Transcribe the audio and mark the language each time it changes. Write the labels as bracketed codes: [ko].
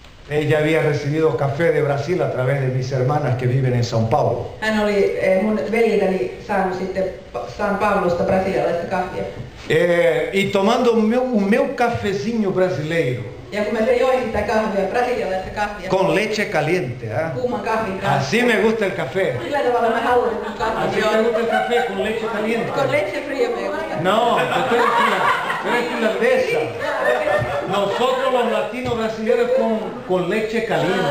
[es] Ella había recibido café de Brasil a través de mis hermanas que viven en São Paulo. [fi] Hän oli mun veljeni saanut sitten São Paulosta brasilialaista kahvia. [es] Y tomando un cafecito brasileiro. [fi] Ja kun mä sen join sitä kahvia, brasilialaista kahvia. [es] Con leche caliente, ¿eh? [fi] Kuuman kahvin kanssa. [es] Así me gusta el café. [fi] Sillä tavalla mä haluan kahvia. [es] Así me gusta el café con leche caliente. Con leche fría me gusta. No, usted es fría. Pero es una de esas. Nosotros los latinos brasileños con leche caliente.